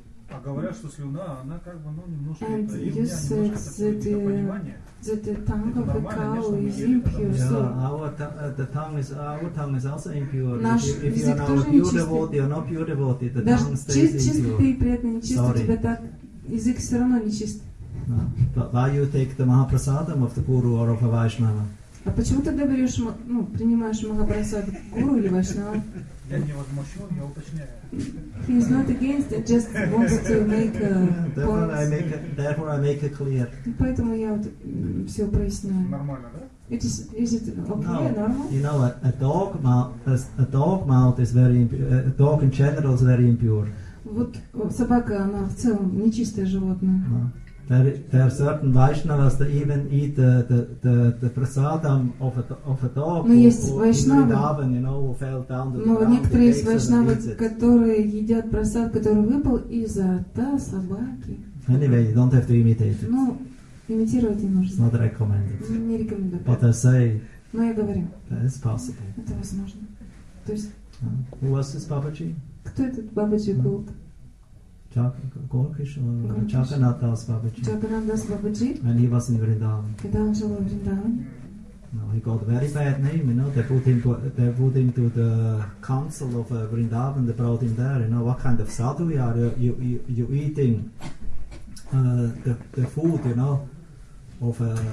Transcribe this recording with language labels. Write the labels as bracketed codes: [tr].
[ru] А говорят, что слюна, она как бы, ну, немножко это, и у меня немножко какое-то понимание. [en] The tongue of a cow is impure. The tongue is our tongue is also impure. [ru] Наш язык тоже нечистый. [en] You're not pure devotee, the tongue stays impure. [ru] Чистый ты и при этом нечистый, у тебя так язык все равно нечистый. [en] No. But why you take the Mahaprasadam of the Guru or of a Vaishnava? [ru] А почему тогда берешь, ну, принимаешь Mahaprasad Guru или Vaishnava? Я не возмущен, я уточняю. [en] He is not against, he just wants to make a point. Therefore I make it clear. [ru] Поэтому я вот все проясняю. Нормально, да? [en] Is it okay, normal? You know, a dog mouth is very impure. A dog in general is very impure. [ru] Вот собака, она в целом нечистое животное. [en] No. There are certain Vaishnavas that even eat the prasadam of a dog. [ru] Но есть [en] Vaishnava. You know, who fell down the ground. [ru] Но некоторые из Vaishnava, которые едят прасад, который выпал из-за рта собаки. [en] Anyway, you don't have to imitate it. [ru] Ну, имитировать не нужно. [en] Not recommended. [ru] Не рекомендую. [en] But I say. [ru] Но я говорю. [en] That is possible. [ru] Это возможно. То есть. [en] Who was this Babaji? [ru] Кто этот Бабаджи был? [en] Jagannath Das Babaji. [ru] Jagannath Das Babaji. [en] And he was in Vrindavan. [ru] Когда он жил в Вриндаване. [en] No, he got a very bad name, you know. They put him to the council of Vrindavan. They brought him there. You know what kind of sadhu you are? You eating the food, you know, of a.